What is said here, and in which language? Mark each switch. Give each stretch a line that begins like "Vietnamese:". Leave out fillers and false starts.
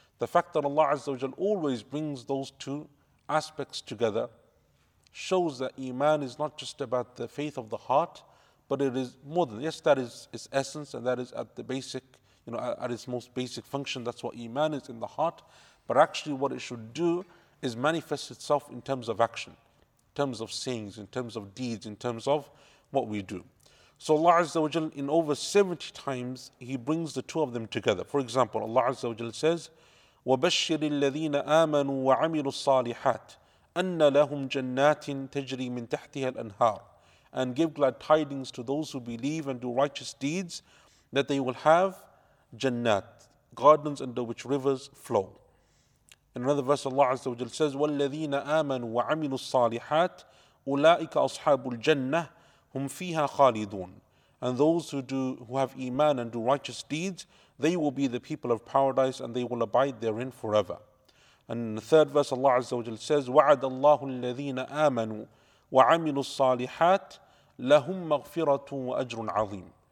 English: The fact that Allah azza wa jal always brings those two aspects together shows that iman is not just about the faith of the heart, but it is more than, yes, that is its essence and that is at the basic, you know, at its most basic function. That's what iman is, in the heart. But actually what it should do is manifest itself in terms of action, in terms of sayings, in terms of deeds, in terms of what we do. So Allah Azza wa Jal, in over 70 times, He brings the two of them together. For example, Allah Azza wa Jal says,
Arabic: وَبَشِّرِ الَّذِينَ آمَنُوا وَعَمِلُوا الصَّالِحَاتِ أَنَّ لَهُمْ جَنَّاتٍ تَجْرِي مِنْ تَحْتِهَا الْأَنْهَارِ.
English: And give glad tidings to those who believe and do righteous deeds, that they will have jannat, gardens under which rivers flow. In another verse, Allah Azza wa Jal says,
Arabic: وَالَّذِينَ آمَنُوا وَعَمِلُوا الصَّالِحَاتِ أُولَٰئِكَ أَصْحَابُ الْجَنَّةِ هُمْ فِيهَا خَالِدُونَ.
English: And those who have iman and do righteous deeds, they will be the people of paradise and they will abide therein forever. And in the third verse, Allah Azza wa Jal says,
Arabic: وَعَدَ اللَّهُ الَّذِينَ آمَنُوا وَعَمِلُوا الصَّالِحَاتِ لَهُمْ مَغْفِرَةٌ وَأَجْرٌ عَظِيمٌ.